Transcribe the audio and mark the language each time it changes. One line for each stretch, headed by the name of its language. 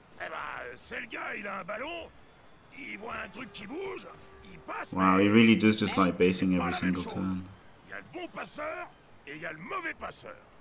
French: Eh ben, c'est le gars, il a un ballon, il voit un truc qui bouge, il passe.
English: Wow, he really does just like basing every single turn.
French: Il y a le bon passeur et il y a le mauvais passeur.